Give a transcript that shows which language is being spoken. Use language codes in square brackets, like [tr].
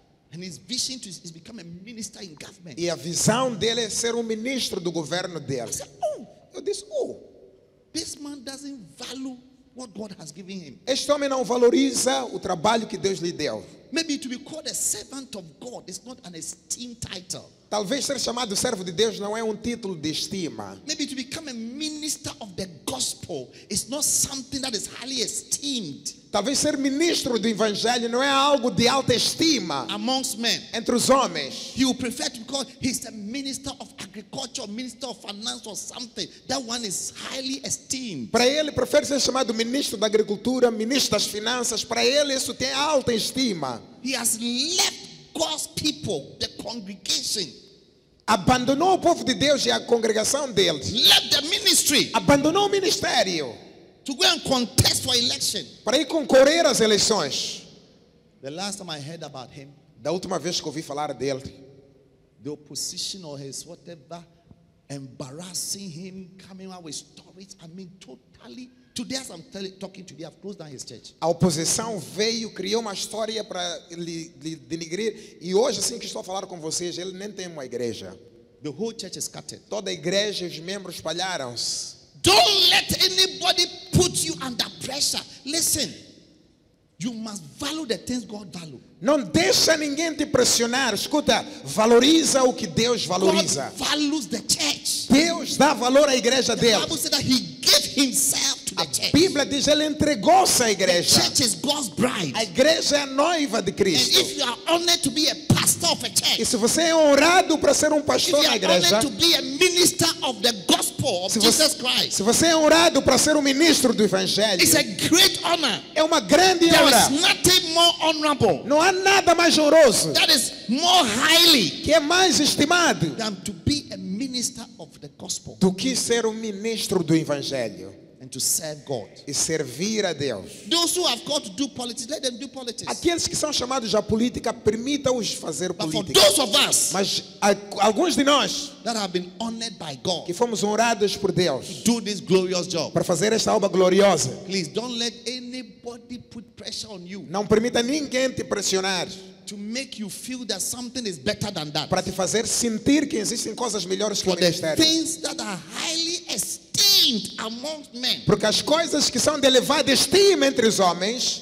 [en] And his vision to is become a minister in government. [pt] E a visão dele é ser ministro do governo dele. [en] I said, oh. [pt] Eu disse, oh. [en] This man doesn't value what God has given him. [pt] Este homem não valoriza o trabalho que Deus lhe deu. [en] Maybe to be called a servant of God is not an esteemed title. [pt] Talvez ser chamado servo de Deus não é título de estima. [en] Maybe to become a minister of the gospel is not something that is highly esteemed. [pt] Talvez ser ministro do evangelho não é algo de alta estima. [en] Amongst men, [pt] entre os homens, [en] he will prefer to be called he's a minister of agriculture, minister of finance or something. That one is highly esteemed. [pt] Para ele prefere ser chamado ministro da agricultura, ministro das finanças. Para ele isso tem alta estima. [en] He has left God's people, the congregation. [pt] Abandonou o povo de Deus e a congregação deles. [en] Left the ministry. [pt] Abandonou o ministério. [en] To go and contest for election. [pt] Para ir concorrer às eleições. [en] The last time I heard about him. [pt] Da última vez que ouvi falar dele. [en] The opposition or his whatever embarrassing him, coming out with stories. I mean, totally. Today as I'm talking to you, I've closed down his church. [pt] A oposição veio, criou uma história para lhe denigrir. E hoje, assim que estou a falar com vocês, ele nem tem uma igreja. [en] The whole church is scattered. [pt] Toda a igreja, os membros espalharam-se. [en] Don't let anybody put you under pressure. Listen, you must value the things God values. [pt] Não deixa ninguém te pressionar. Escuta, valoriza o que Deus valoriza. [en] God values the church. [pt] Deus dá valor à igreja dele. [en] The Bible says that he gave himself to the church. [pt] A Bíblia diz que ele entregou-se à igreja. [en] The church is God's bride. [pt] A igreja é a noiva de Cristo. [en] And if you are honored to be a pastor of a church, [pt] e se você é honrado para ser pastor [en] if you [pt] na igreja, [en] to be a minister of the gospel of Jesus Christ, [pt] se você é honrado para ser ministro do evangelho, [en] it's a great honor. [pt] É uma grande honra. [en] There is nothing more honorable. [pt] Não há nada mais honroso. [en] That is more highly. [pt] Que é mais estimado. [en] Than to be a minister of the gospel. [pt] Do que ser ministro do evangelho. [en] And to serve God. [pt] E servir a Deus. [en] Those who have called to do politics, let them do politics. [pt] Aqueles que são chamados à política, permita-os fazer política. [en] But for those of us, [pt] mas alguns de nós, [en] that have been honored by God, [pt] que fomos honrados por Deus, [en] to do this glorious job, [pt] para fazer esta obra gloriosa. [en] Please don't let anybody put pressure on you. [pt] Não permita ninguém te pressionar. [en] To make you feel that something is better than that. [pt] Para te fazer sentir que existem coisas melhores que o ministério. [en] For the things that are highly esteemed. esteemed among men. [pt] Porque as coisas que são de elevada estima entre os homens,